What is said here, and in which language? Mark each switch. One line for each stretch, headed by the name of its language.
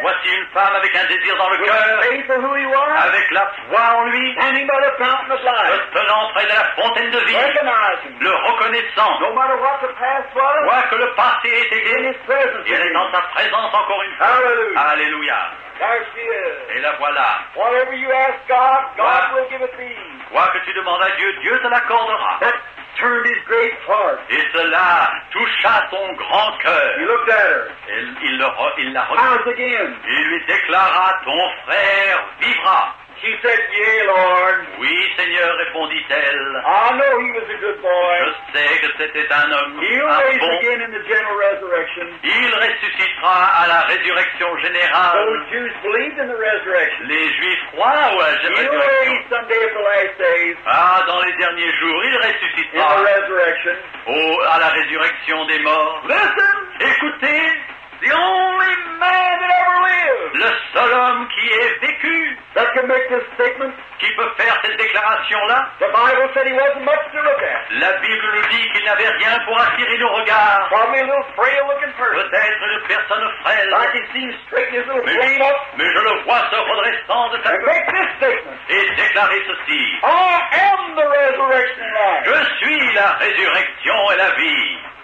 French: Voici une femme avec un désir dans le cœur.
English: With faith in who he was.
French: Avec la foi en lui.
English: Standing by the fountain of life.
French: Se tenant près de la fontaine de vie.
English: Recognizing.
French: Le reconnaissant.
English: No matter what the past was.
French: Quoi que le passé ait été.
English: In his presence.
French: Il est dans sa présence encore une fois.
English: Hallelujah.
French: Alléluia.
English: There she is.
French: Et la voilà.
English: Whatever you ask God, God will give it to you.
French: Quoi que tu demandes à Dieu, Dieu te l'accordera.
English: That turned his great heart.
French: Et cela toucha son grand cœur.
English: He looked at her.
French: Il la regarde. Again. Il lui déclara, ton frère vivra.
English: She said, yea, Lord.
French: Oui, Seigneur, répondit-elle.
English: I know he was a good boy.
French: Je sais que c'était un homme.
English: He'll raise again in the general resurrection.
French: Il ressuscitera à la résurrection générale.
English: Those Jews believed in the resurrection.
French: Les Juifs croient à la résurrection.
English: He'll raise someday at the last days.
French: Ah, dans les derniers jours, il ressuscitera.
English: In the resurrection.
French: Oh, à la résurrection des morts.
English: Listen!
French: Écoutez!
English: The only man that ever lived.
French: Le seul homme qui ait vécu.
English: That can make this statement.
French: Qui peut faire cette déclaration-là.
English: The Bible said he wasn't much to look at.
French: La Bible nous dit qu'il n'avait rien pour attirer nos regards.
English: Probably a little frail looking person.
French: Peut-être une personne frêle.
English: I can see him straighten his little frame up.
French: Mais je le vois se redressant de sa
English: tête. Make this statement.
French: Et déclarer ceci.
English: I am the resurrection and life.
French: Je suis la résurrection et la vie.